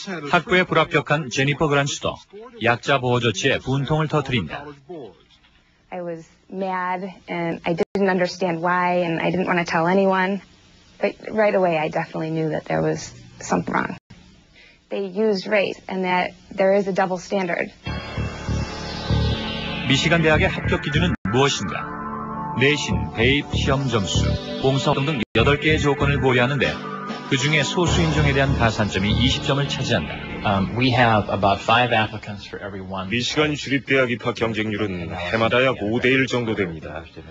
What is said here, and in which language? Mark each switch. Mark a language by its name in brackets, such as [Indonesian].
[Korean] 학부에 불합격한 제니퍼 그란츠도 약자 보호 조치에 분통을 터뜨린다. [English] I was mad and I didn't understand why and I didn't want to tell anyone. But right away I definitely knew that there was something wrong. They use race and that there is a double standard. [Korean] 미시간 대학의 합격 기준은 무엇인가? 내신, 대입, 시험 점수, 봉사 등등 8개의 조건을 고려하는데 그중에 소수 인종에 대한 가산점이 20점을 차지한다. [English] We have about 5 applicants for every one. [Korean] 미시간 주립대학 입학 경쟁률은 해마다 약 5대 1 정도 됩니다.